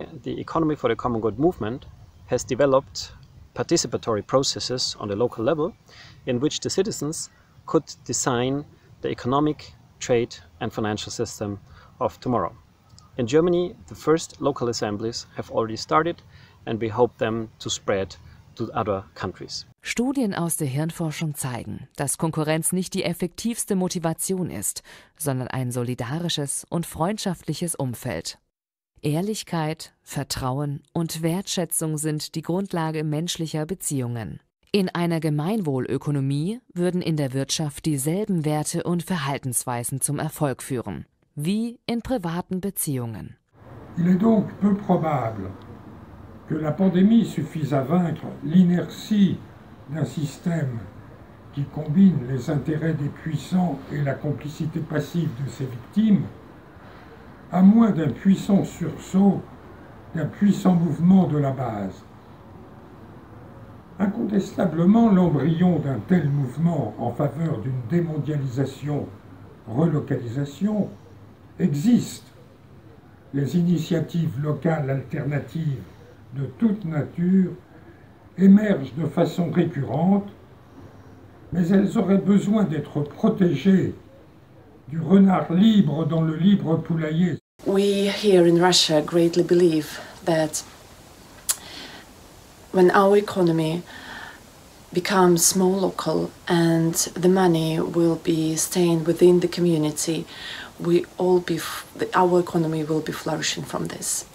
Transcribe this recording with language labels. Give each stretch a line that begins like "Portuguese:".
English: The Economy for the Common Good movement has developed participatory processes on the local level in which the citizens could design the economic, trade, and financial system of tomorrow. In Germany, the first local assemblies have already started, and we hope them to spread to other countries.
German: Studien aus der Hirnforschung zeigen, dass Konkurrenz nicht die effektivste Motivation ist, sondern ein solidarisches und freundschaftliches Umfeld. Ehrlichkeit, Vertrauen und Wertschätzung sind die Grundlage menschlicher Beziehungen. In einer Gemeinwohlökonomie würden in der Wirtschaft dieselben Werte und Verhaltensweisen zum Erfolg führen, wie in privaten Beziehungen.
French: Il est donc peu probable que la pandémie suffise à vaincre l'inertie d'un système qui combine les intérêts des puissants et la complicité passive de ses victimes, à moins d'un puissant sursaut, d'un puissant mouvement de la base. Incontestablement, l'embryon d'un tel mouvement en faveur d'une démondialisation-relocalisation existe. Les initiatives locales alternatives de toute nature émergent de façon récurrente, mais elles auraient besoin d'être protégées du renard libre dans le libre poulailler.
English: We here in Russia greatly believe that when our economy becomes more local and the money will be staying within the community, our economy will be flourishing from this.